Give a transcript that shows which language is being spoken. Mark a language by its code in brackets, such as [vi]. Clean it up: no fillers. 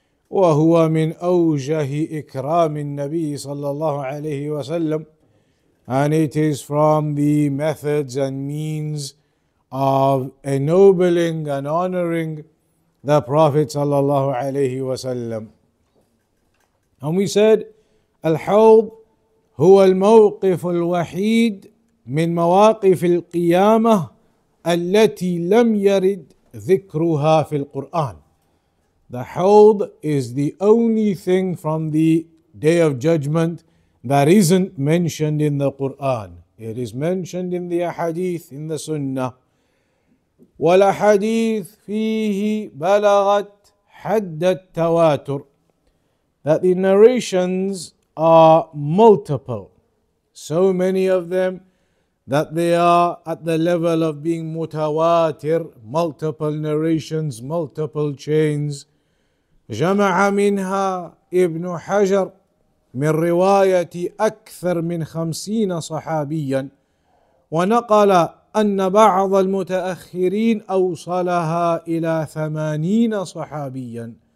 [ar] وَهُوَ مِنْ أَوْجَهِ إِكْرَامِ النَّبِيِّ صَلَّى اللَّهُ عَلَيْهِ وَسَلَّمُ, [en] and it is from the methods and means of ennobling and honoring the Prophet صَلَّى اللَّهُ عَلَيْهِ وَسَلَّمُ. And we said, [ar] الحوض هو الموقف الوحيد من مواقف القيامة التي لم يرد ذكرها في القرآن. [en] The Hawḍ is the only thing from the Day of Judgment that isn't mentioned in the Quran. It is mentioned in the Ahadith, in the Sunnah. [ar] والأحاديث فيه بلغت حد التواتر. [en] That the narrations are multiple, so many of them that they are at the level of being mutawatir, multiple narrations, multiple chains. [ar] جَمَعَ مِنْهَا إِبْنُ حَجَرْ مِنْ رِوَايَةِ أَكْثَرْ مِنْ خَمْسِينَ صَحَابِيًّا وَنَقَلَ أَنَّ بَعْضَ الْمُتَأَخِّرِينَ أَوْصَلَهَا إِلَى ثَمَانِينَ صَحَابِيًّا.